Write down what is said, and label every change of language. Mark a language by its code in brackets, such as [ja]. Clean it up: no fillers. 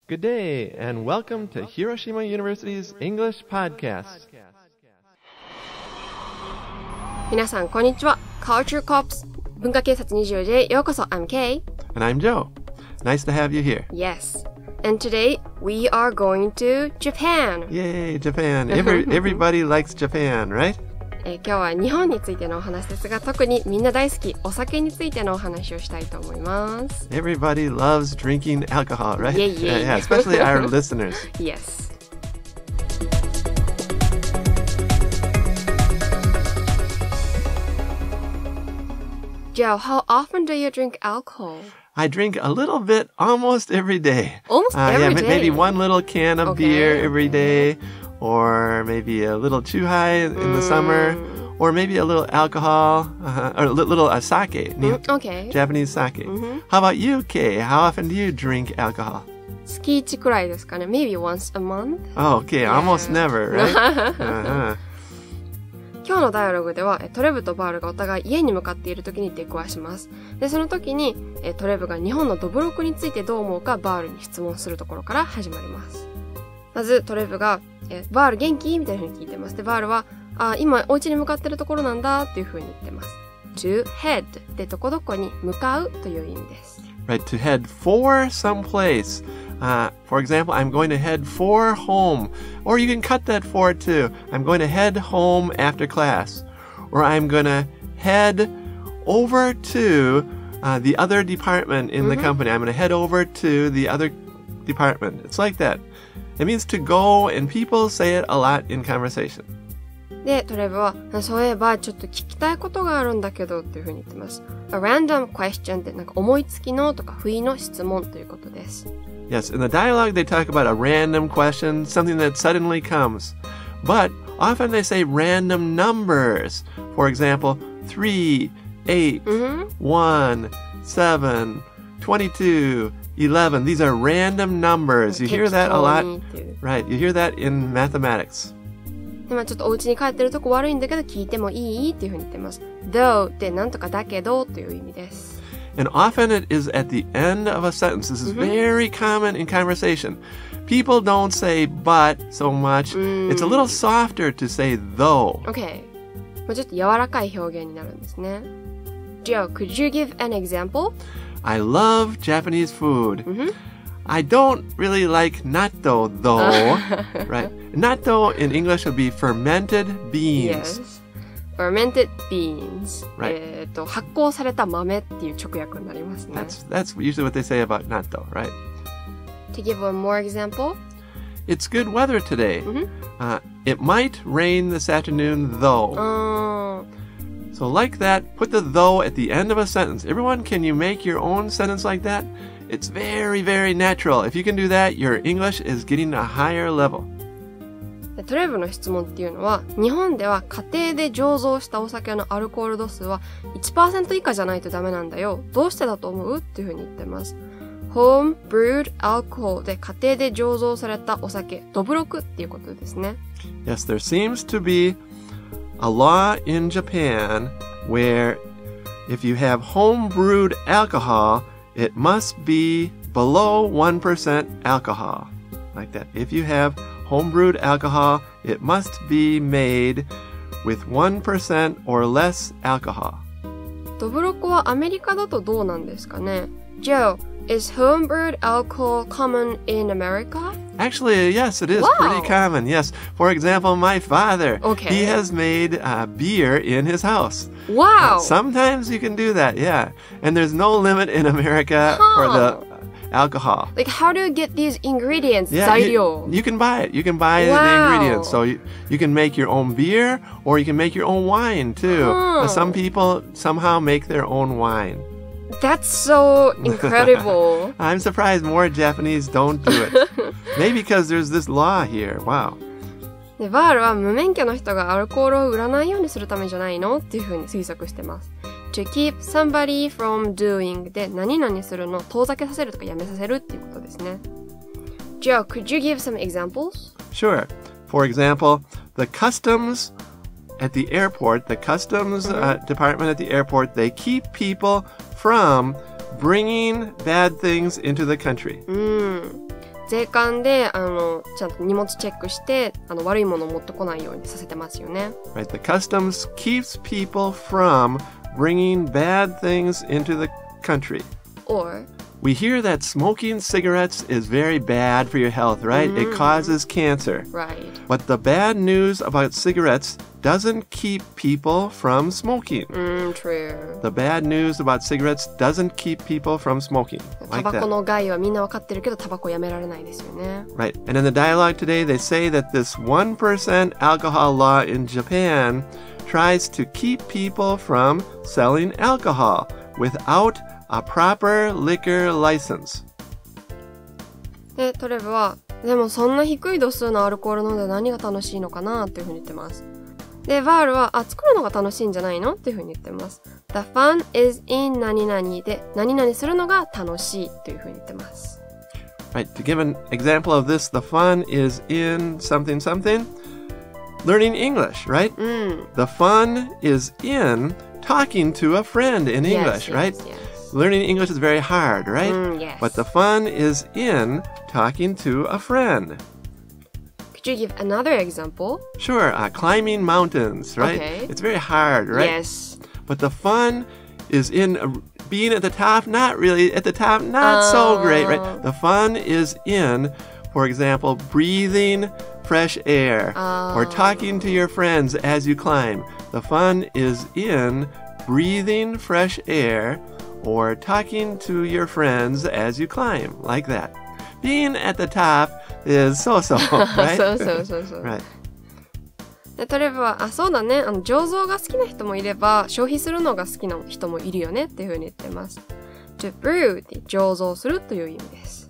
[en] Good day, and welcome to Hiroshima University's English Podcast. [ja] 皆さん、こんにちは。 Culture Cops 文化警察24時へようこそ。 [en] I'm Kay. And I'm Joe. Nice to have you here. Yes. And today, we are going to Japan. Yay, Japan. Everybody likes Japan, right? [ja] 今日は日本についてのお話ですが、特にみんな大好きお酒についてのお話をしたいと思います。 [en] Everybody loves drinking alcohol, right? Yeah, yeah, yeah. Especially our listeners. Yes. Joe, how often do you drink alcohol? I drink a little bit almost every day. Almost every day? Maybe one little can of beer every day. Or maybe a little too high in the summer. Or maybe a little alcohol. Or a little sake. Okay. Japanese sake. Mm-hmm. How about you, Kay? How often do you drink alcohol? [ja] 月1くらいですかね。 [en] Maybe once a month. Oh, okay. Yeah. Almost never, right? [ja] 今日のダイアログでは、トレブとバールがお互い家に向かっている時に出くわします。で、その時に、トレブが日本のドブロクについてどう思うかバールに質問するところから始まります。まず、トレブが、バール元気?みたいな風に聞いてます。で、バールは、あ、今お家に向かってるところなんだっていう風に言ってます。 To head でどこどこに向かうという意味です。 [en] Right, to head for someplace. For example, I'm going to head for home. Or you can cut that for too. I'm going to head home after class. Or I'm going to head over to the other department in the company. I'm going to head over to the other department. It's like that. It means to go, and people say it a lot in conversation. [ja] で、トレブは、そういえば、ちょっと聞きたいことがあるんだけど、っていうふうに言ってます。 A random question って、なんか思いつきのとか、不意の質問ということです。 [en] Yes, in the dialogue, they talk about a random question, something that suddenly comes. But, often they say random numbers. For example, 3, 8, 1, 7, 22... 11. These are random numbers. You hear that a lot. Right. You hear that in mathematics. [ja] でもちょっとお家に帰ってるとこ悪いんだけど聞いてもいい?っていうふうに言ってます。 Though ってなんとかだけどという意味です。 [en] And often it is at the end of a sentence. This is very common in conversation. People don't say but so much. It's a little softer to say though. Okay. [ja] まあちょっと柔らかい表現になるんですね。 [en] Joe, could you give an example? I love Japanese food. I don't really like natto, though. right? Natto in English would be fermented beans. Yes. Fermented beans. Right. [ja] 発酵された豆っていう直訳になりますね。 [en] That's usually what they say about natto, right? To give one more example. It's good weather today. It might rain this afternoon, though. So like that, put the though at the end of a sentence. Everyone, can you make your own sentence like that? It's very, very natural. If you can do that, your English is getting a higher level. [ja] トレブの質問っていうのは、日本では家庭で醸造したお酒のアルコール度数は 1% 以下じゃないとダメなんだよ。どうしてだと思う?っていうふうに言ってます。Home-brewed alcohol で家庭で醸造されたお酒、ドブロクっていうことですね。 [en] Yes, there seems to be... A law in Japan where if you have home-brewed alcohol, it must be below 1% alcohol. Like that. If you have home-brewed alcohol, it must be made with 1% or less alcohol. [ja] ドブロクはアメリカだとどうなんですかね? [en] Joe, is home-brewed alcohol common in America? Actually, yes, it is pretty common. Yes. For example, my father, he has made beer in his house. Wow. Sometimes you can do that, yeah. And there's no limit in America for the alcohol. Like, how do you get these ingredients? Yeah, you can buy it. You can buy the ingredients. So you can make your own beer or you can make your own wine, too. Huh. Some people somehow make their own wine. That's so incredible. I'm surprised more Japanese don't do it. Maybe because there's this law here. Wow. [ja] で、バールは無免許の人がアルコールを売らないようにするためじゃないの? っていうふうに推測してます。To keep somebody from doing で何々するの遠ざけさせるとかやめさせるっていうことですね。 [en] Joe, could you give some examples? Sure. For example, the customs at the airport, the customs department at the airport, they keep people...from bringing bad things into the country. [ja] 税関でちゃんと荷物チェックして悪いものを持ってこないようにさせてますよね。 [en] Right, the customs keeps people from bringing bad things into the country. Or, we hear that smoking cigarettes is very bad for your health, right? Mm-hmm. It causes cancer. Right. But the bad news about cigarettes doesn't keep people from smoking. Mm, true. The bad news about cigarettes doesn't keep people from smoking. [ja] タバコの害はみんなわかってるけど、タバコやめられないですよね。 [en] Right. And in the dialogue today, they say that this 1% alcohol law in Japan tries to keep people from selling alcohol without a proper liquor license. [ja] で、トレブは、でもそんな低い度数のアルコール飲んで何が楽しいのかなっていうふうに言ってます。で、ヴァールは、あ、作るのが楽しいんじゃないのっていうふうに言ってます。The fun is in 何々で、何々するのが楽しいというふうに言ってます。 [en] Right, to give an example of this, the fun is in something something, learning English, right?、 [ja] うん、 [en] the fun is in talking to a friend in English, yes, right? Yes, yes. Learning English is very hard, right? Mm, yes. But the fun is in talking to a friend. Could you give another example? Sure, climbing mountains, right? Okay. It's very hard, right? Yes. But the fun is in being at the top, not really at the top, not so great, right? The fun is in, for example, breathing fresh air or talking to your friends as you climb. The fun is in breathing fresh air. Or talking to your friends as you climb, like that. Being at the top is so-so, right? So-so-so-so. Right. [ja] で、トレブは、あ、そうだね。醸造が好きな人もいれば、消費するのが好きな人もいるよねっていうふうに言ってます。 To brew, 醸造するという意味です。